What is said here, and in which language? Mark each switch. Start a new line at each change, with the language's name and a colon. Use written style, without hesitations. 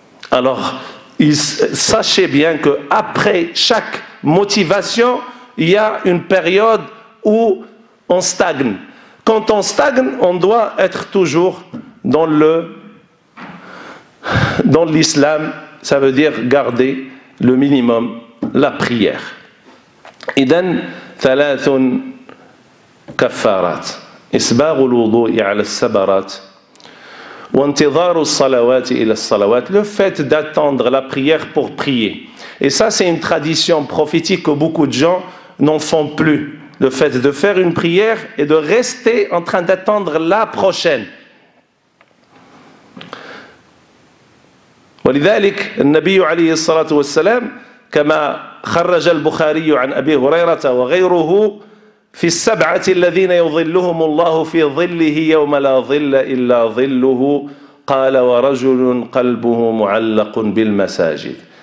French: Alors, sachez bien qu'après chaque motivation, il y a une période où on stagne. Quand on stagne, on doit être toujours dans l'islam, ça veut dire garder le minimum la prière.
Arabic: إذن ثلاث كفارات إسباغ الوضوء على السبرات وانتظار الصلوات إلى الصلوات.
French: Le fait d'attendre la prière pour prier. Et ça, c'est une tradition prophétique que beaucoup de gens n'en font plus. Le fait de faire une prière et de rester en train d'attendre la prochaine.
Arabic: ولذلك النبي عليه الصلاة والسلام كما خرج البخاري عن أبي هريرة وغيره في السبعة الذين يظلهم الله في ظله يوم لا ظل إلا ظله قال ورجل قلبه معلق بالمساجد.